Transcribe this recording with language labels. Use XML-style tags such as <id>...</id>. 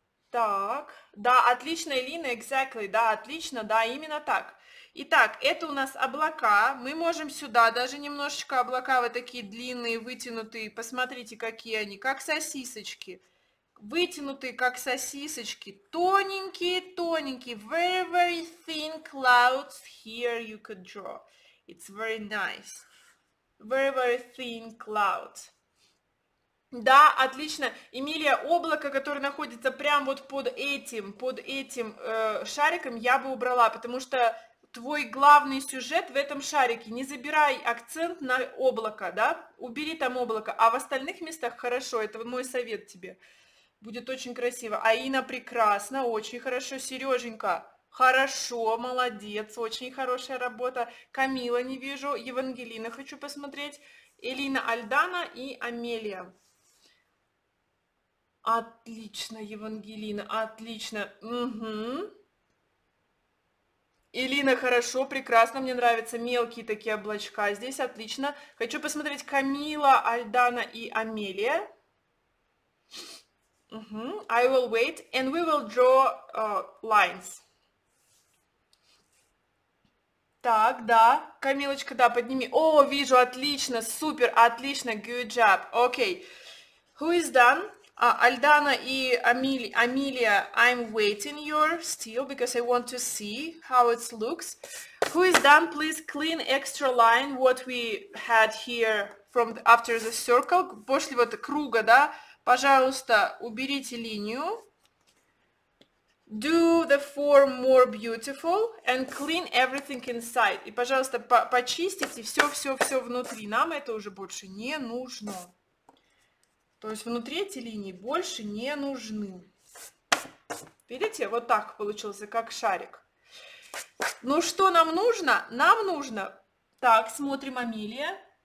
<ru>Так, да, отлично, Элина,</ru> <en>exactly,</en> <ru>да, отлично, да, именно так. Итак, это у нас облака. Мы можем сюда даже немножечко облака вот такие длинные, вытянутые. Посмотрите, какие они, как сосисочки. Вытянутые, как сосисочки. Тоненькие, тоненькие.</ru> <en>Very, very thin clouds here you could draw. It's very nice. Very, very thin clouds.</en> <ru>Да, отлично. Эмилия, облако, которое находится прямо вот под этим шариком, я бы убрала, потому что... твой главный сюжет в этом шарике. Не забирай акцент на облако, да? Убери там облако. А в остальных местах хорошо. Это мой совет тебе. Будет очень красиво. Аина, прекрасно. Очень хорошо. Сереженька, хорошо. Молодец. Очень хорошая работа. Камила, не вижу. Евангелина, хочу посмотреть. Элина, Альдана и Амелия. Отлично, Евангелина. Отлично. Угу. Элина, хорошо, прекрасно, мне нравятся мелкие такие облачка здесь, отлично. Хочу посмотреть Камила, Альдана и Амелия. Uh-huh.</ru> <en>I will wait, and we will draw lines.</en> <ru>Так, да, Камилочка, да, подними. О, вижу, отлично, супер, отлично,</ru> <en>good job.</en> <ru>Окей,</ru> <en>okay. Who is done? Альдана и Амелия, I'm waiting your still, because I want to see how it looks. Who is done, please clean extra line, what we had here from the, after the circle,</en> <ru>после вот круга, да? Пожалуйста, уберите линию.</ru> <en>Do the form more beautiful and clean everything inside.</en> <ru>И, пожалуйста, почистите все-все-все внутри. Нам это уже больше не нужно. То есть внутри эти линии больше не нужны. Видите, вот так получился, как шарик. Ну, что нам нужно? Нам нужно... Так, смотрим, Амелия.</ru>